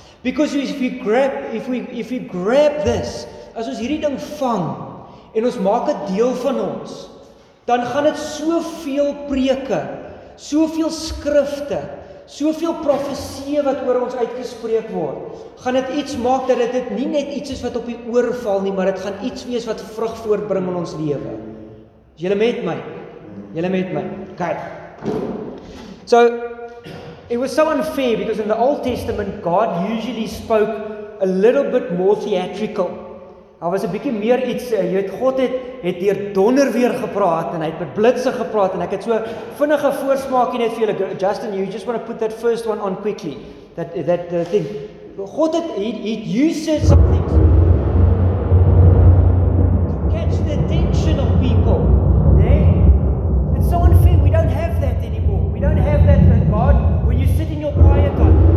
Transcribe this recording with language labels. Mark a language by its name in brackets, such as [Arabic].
[English] Because if we grab this, [Afrikaans] as ons hierdie ding vang en ons maak dit deel van ons, dan gaan dit soveel preke, soveel skrifte, soveel profeseë wat oor ons uitgespreek word, gaan dit iets maak dat dit nie net iets is wat op die oor val nie, maar dit gaan iets wees wat vrug voortbring in ons lewe. Is julle met my? Julle met my? Kyk. [English] So it was so unfair because in the Old Testament God usually spoke a little bit more theatrical. [Afrikaans] Hy was 'n bietjie meer iets, jy weet, God het deur donder weer gepraat en hy het met blitse gepraat en ek het so vinnige voorsmaakie net vir julle. [English] Justin, you just want to put that first one on quickly. That the thing. God het it used something to catch the attention of people. Nee? It's so unfair. We don't have that anymore. We don't have that with God when you sit in your quiet time.